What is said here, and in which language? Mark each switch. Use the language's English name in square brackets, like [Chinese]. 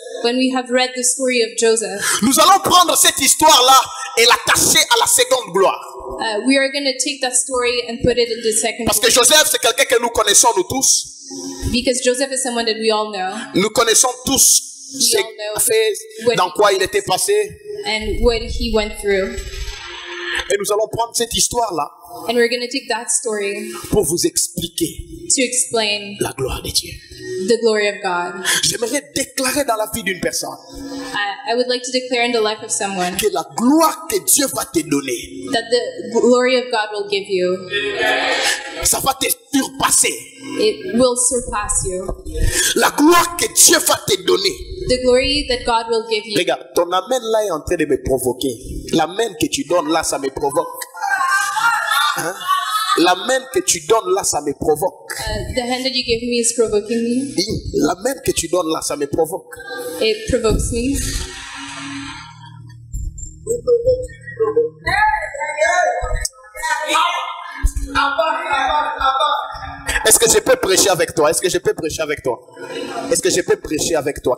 [English] When we have read the story of Joseph. [French] Nous allons prendre cette histoire-là et l'attacher à la seconde gloire. [English] We are going to take that story and put it in the second glory. [French] Parce que Joseph, c'est quelqu'un que nous connaissons, nous tous. [English] Because Joseph is someone that we all know. [French] Nous connaissons tous ce qu'il a fait, dans quoi il était passé. [English] And what he went through. [French] Et nous allons prendre cette histoire-là. [English] And we're going to take that story. [French] Pour vous expliquer. [English] To explain. [French] La gloire de Dieu. [English] The glory of God. [French] J'aimerais déclarer dans la vie d'une personne. [English] I would like to declare in the life of someone. [French] Que la gloire que Dieu va te donner. [English] That the glory of God will give you. [French] Ça va te surpasser. [English] It will surpass you. [French] La gloire que Dieu va te donner. [English] The glory that God will give you. [French] Regarde, ton amen là est en train de me provoquer. La même que tu donnes là, ça me provoque. Hein? La même que tu donnes là, ça me provoque. [English] The hand that you give me is provoking me. [French] La même que tu donnes là, ça me provoque. [English] It provokes me. [French] Est-ce que je peux prêcher avec toi? Est-ce que je peux prêcher avec toi? Est-ce que je peux prêcher avec toi?